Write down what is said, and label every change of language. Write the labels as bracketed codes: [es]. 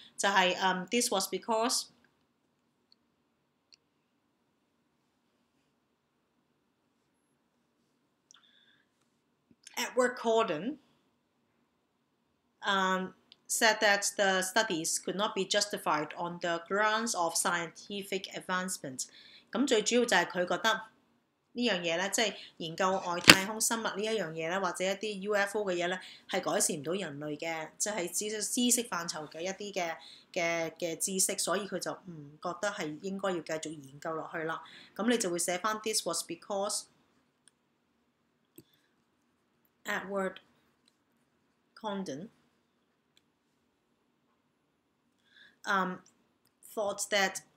[yue] 就係 [en] this was because Edward Corden said that the studies could not be justified on the grounds of scientific advancement。 [yue] 咁最主要就係佢覺得呢樣嘢咧，即係研究外太空生物呢一樣嘢咧，或者一啲 UFO 嘅嘢咧，係改善唔到人類嘅，即係只係知識範疇嘅一啲嘅知識，所以佢就唔覺得係應該要繼續研究落去啦。咁你就會寫翻 [en] This was because Edward Condon thought that。